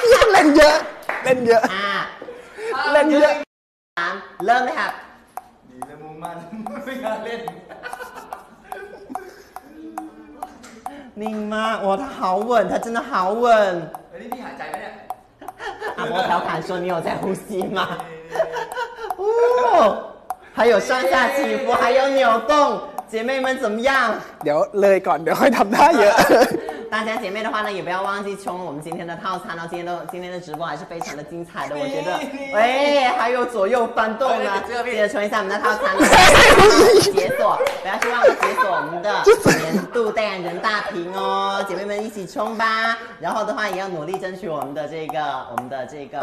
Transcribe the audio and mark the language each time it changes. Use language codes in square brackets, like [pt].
[th] เล่นเยอะเล่นเยอะเล่นเยอะ 3เริ่ม น ะครับ ดีแล้วมุ่งมั่นไม่กล้าเล่น นิ่งมากโอ้ท่า [zh] 好稳 [th] ท่า [zh] 真的好稳 [th] เฮ้ยนี่หายใจไหมเนี่ย อาโมแถวผ่าน [zh] 说你有在呼吸吗哦还有上下起伏还有扭动姐妹们怎么样 [th] เดี๋ยวเลยก่อนเดี๋ยวค่อยทำท่าเยอะ [zh] 大家姐妹的话呢也不要忘记冲我们今天的套餐哦今天的直播还是非常的精彩的我觉得喂还有左右翻动呢记得冲一下我们的套餐解锁不要去忘了解锁我们的年度代言人大屏哦姐妹们一起冲吧然后的话也要努力争取我们的这个